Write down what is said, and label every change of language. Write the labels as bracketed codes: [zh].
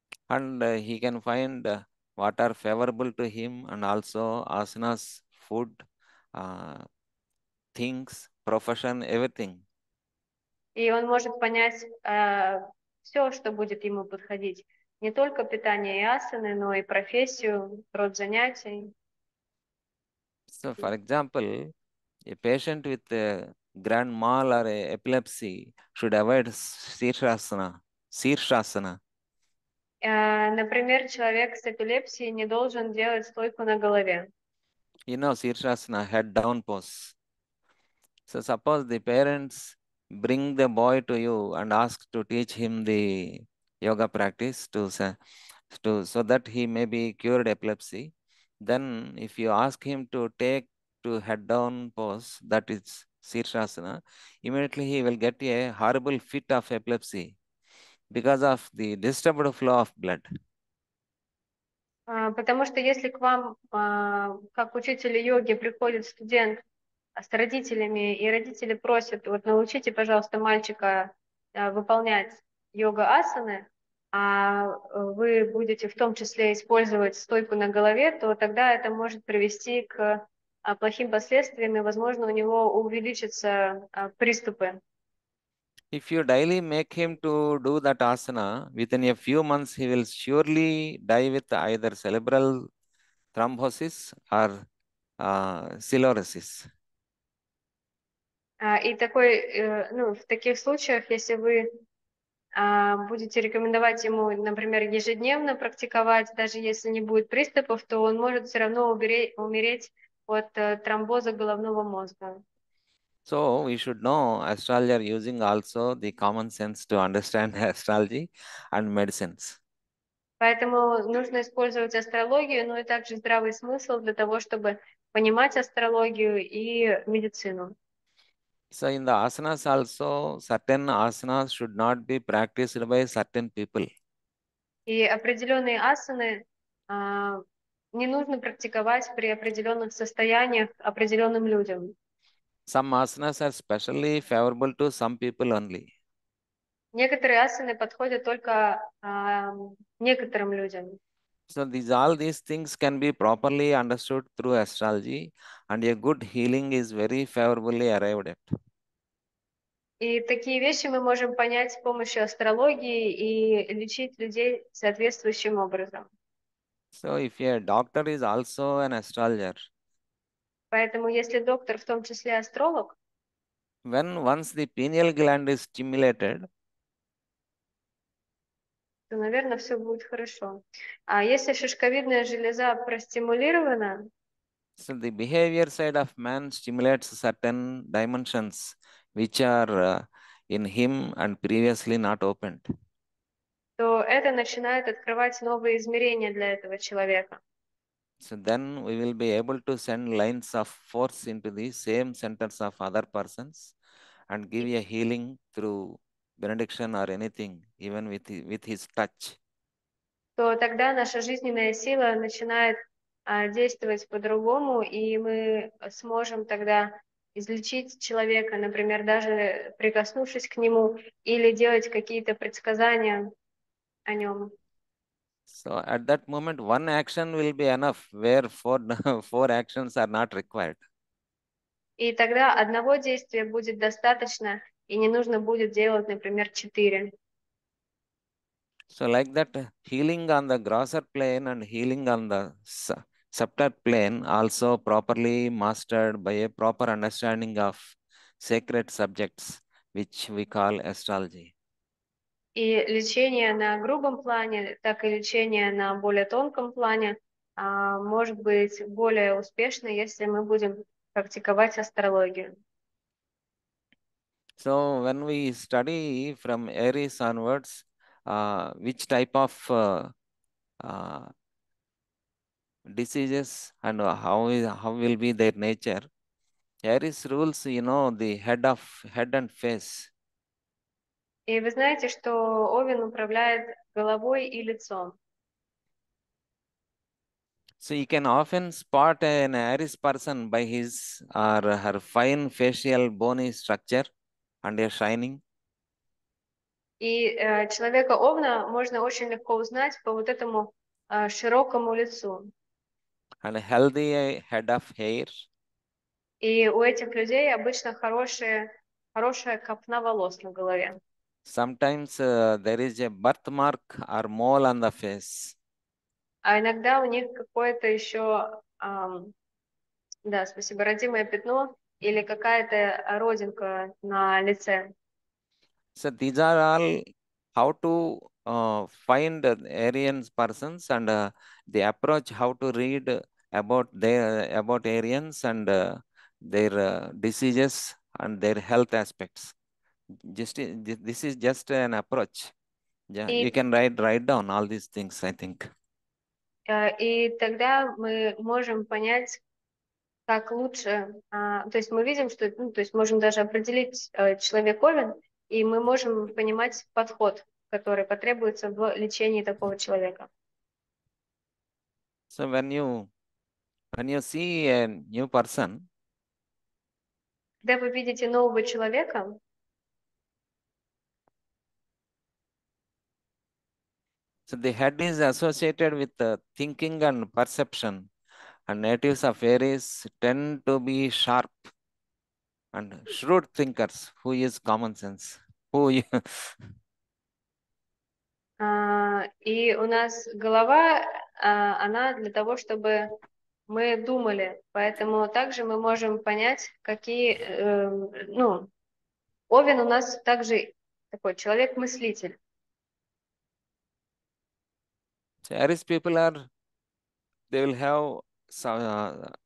[en] And he can find what are favorable to him and also asanas, food, things, profession, everything. [ru] И он может понять все, что будет ему подходить. Не только питание и асаны, но и профессию, род занятий. [en] So, for example, a patient with a grand mal or epilepsy should avoid Shirshasana. [ru] Например, человек с эпилепсией не должен делать стойку на голове. [en] You know, Shirshasana, head down pose. So suppose the parents bring the boy to you and ask to teach him the yoga practice so that he may be cured epilepsy. Then if you ask him to take to head down pose, that is Shirshasana, immediately he will get a horrible fit of epilepsy because of the disturbed flow of blood. [ru] Потому что если к вам, как учителю йоги, приходит студент с родителями, и родители просят, вот научите, пожалуйста, мальчика выполнять йога-асаны, а вы будете в том числе использовать стойку на голове, то тогда это может привести к плохим последствиям, и, возможно, у него увеличатся приступы. [en] If you daily make him to do that asana, within a few months he will surely die with either cerebral thrombosis or sclerosis. [ru] И ну, в таких случаях, если вы будете рекомендовать ему, например, ежедневно практиковать, даже если не будет приступов, то он может все равно умереть от тромбоза головного мозга. [en] So we should know astrologer using also the common sense to understand astrology and medicines. [ru] Поэтому нужно использовать астрологию, но и также здравый смысл для того, чтобы понимать астрологию и медицину. [en] So in the asanas also, certain asanas should not be practiced by certain people. [ru] И определенные асаны не нужно практиковать при определенных состояниях определенным людям. [en] Some asanas are specially favorable to some people only. [ru] Некоторые асаны подходят только некоторым людям. [en] So all these things can be properly understood through astrology, and a good healing is very favorably arrived at. [ru] И такие вещи мы можем понять с помощью астрологии и лечить людей соответствующим образом. [en] So if a doctor is also an astrologer, [ru] Поэтому если доктор, в том числе астролог, [en] when once the pineal gland is stimulated, [ru] то, наверное, все будет хорошо. А если шишковидная железа простимулирована, [en] so the behavior side of man stimulates certain dimensions which are in him and previously not opened. [ru] То это начинает открывать новые измерения для этого человека. [en] So then we will be able to send lines of force into the same centers of other persons and give a healing through benediction or anything, even with his touch. [ru] То тогда наша жизненная сила начинает действовать по-другому, и мы сможем тогда излечить человека, например, даже прикоснувшись к нему или делать какие-то предсказания о нем. [en] So at that moment, one action will be enough, where four actions are not required. [ru] И тогда одного действия будет достаточно, и не нужно будет делать, например, четыре. [en] So like that, healing on the grosser plane and healing on the subtler plane also properly mastered by a proper understanding of sacred subjects, which we call astrology. [ru] И лечение на грубом плане, так и лечение на более тонком плане может быть более успешно, если мы будем практиковать астрологию. [en] So when we study from Aries onwards, which type of diseases and how will be their nature, Aries rules, you know, the head and face. [ru] И вы знаете, что Овен управляет головой и лицом. [en] So you can often spot an Aries person by his or her fine facial bony structure and their shining. [ru] И человека Овна можно очень легко узнать по вот этому широкому лицу. [en] And a healthy head of hair. [ru] И у этих людей обычно хорошая копна волос на голове. [en] Sometimes there is a birthmark or mole on the face. [ru] А иногда у них какое-то еще, да, спасибо, родимое пятно или какая-то родинка на лице. [en] So these are all how to find Aryan persons and the approach how to read about Aryans and their diseases and their health aspects. This is just an approach. Yeah, you can write down all these things, I think. [ru] И тогда мы можем понять, как лучше, то есть мы видим, что, ну, то есть можем даже определить человек-овен, и мы можем понимать подход, который потребуется в лечении такого человека. [en] So when you see a new person, [ru] когда вы видите нового человека, [en] so the head is associated with thinking and perception, and natives of Aries tend to be sharp and shrewd thinkers who use common sense. Who you... [ru] И у нас голова, она для того, чтобы мы думали. Поэтому также мы можем понять, какие, ну, Овен у нас также такой человек-мыслитель. [en] So Aries people are, they will have some,